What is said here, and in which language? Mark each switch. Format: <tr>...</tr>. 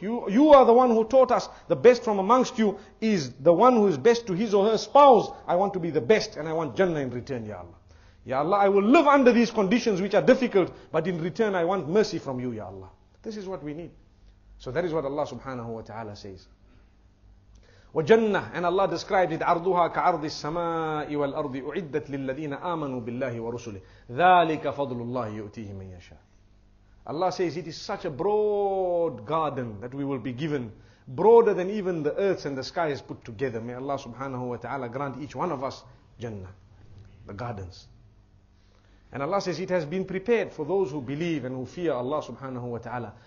<en>You are the one who taught us the best from amongst you is the one who is best to his or her spouse. I want to be the best and I want Jannah in return, Ya Allah. Ya Allah, I will live under these conditions which are difficult, but in return I want mercy from you, Ya Allah. This is what we need. So that is what Allah subhanahu wa ta'ala says.</en> <ar>وَجَنَّةٌ,</ar> <en>and Allah described it,</en> <ar>عَرْضُهَا كَعَرْضِ السَّمَاءِ وَالْأَرْضِ أُعِدَّتْ لِلَّذِينَ آمَنُوا بِاللَّهِ وَرُسُلِهِ ذَلِكَ فَضْلُ اللَّهِ يُؤْتِيهِ مَنْ يَشَاءُ.</ar> <en>Allah says it is such a broad garden that we will be given, broader than even the earths and the skies put together. May Allah subhanahu wa ta'ala grant each one of us Jannah, the gardens. And Allah says it has been prepared for those who believe and who fear Allah subhanahu wa ta'ala.</en>